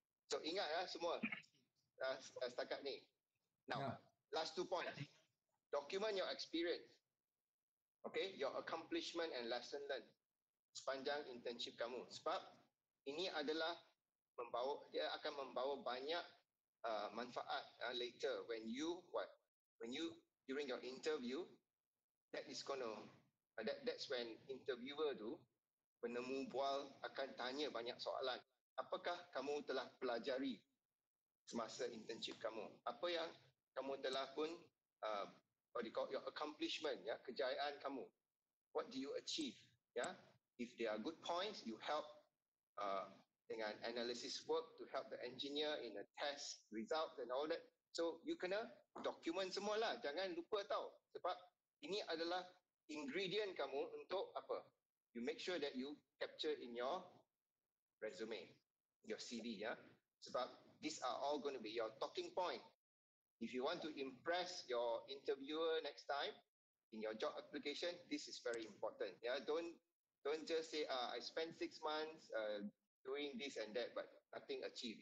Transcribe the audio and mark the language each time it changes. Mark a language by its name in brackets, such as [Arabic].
[English] So [Malay] ingatlah semua setakat ni. [English] Now, last two points. Document your experience. Okay, your accomplishment and lesson learned [Malay] sepanjang internship kamu. Sebab ini adalah membawa, dia akan membawa banyak manfaat [English] later when you what? When you during your interview, that is gonna that's when interviewer [Malay] tu penemu bual akan tanya banyak soalan. Apakah kamu telah pelajari semasa internship kamu? Apa yang kamu telah pun [English] what do you call your accomplishment, [Malay] ya, kejayaan kamu. [English] What do you achieve? Ya, if there are good points, you help [Malay] dengan [English] analysis work to help the engineer in a test result and all that. So you [Malay] kena document semualah. Jangan lupa tau. Sebab ini adalah ingredient kamu untuk apa? [English] You make sure that you capture in your resume, your CV, ya. [Malay] Sebab [English] these are all going to be your talking point. If you want to impress your interviewer next time in your job application, this is very important. Yeah, don't just say I spent 6 months doing this and that, but nothing achieved.